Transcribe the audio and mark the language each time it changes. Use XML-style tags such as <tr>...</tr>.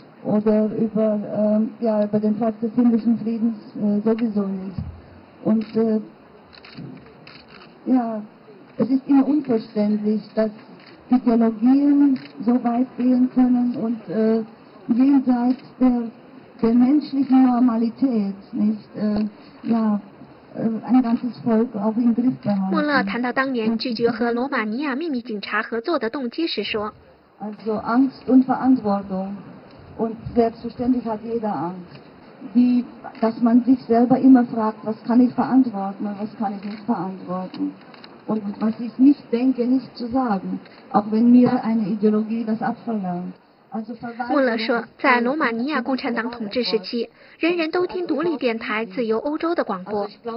<de>Oder über ja über den Platz des himmlischen Friedens sowieso nicht und ja, es ist immer unverständlich, dass Ideologien so weit gehen können und jenseits der menschlichen Normalität nicht, ja.</de> <zh>穆勒谈到当年拒绝和罗马尼亚秘密警察合作的动机时说</zh> <de>：“Also Angst und Verantwortung und selbstverständlich hat jeder Angst.” Wie, dass man sich selber immer fragt, was kann ich verantworten und was kann ich nicht verantworten. Und was ich nicht denke, nicht zu sagen. Auch wenn mir eine Ideologie das abverlangt.</de> <zh>穆勒说，在罗马尼亚共产党统治时期，人人都听独立电台自由欧洲的广播。</zh>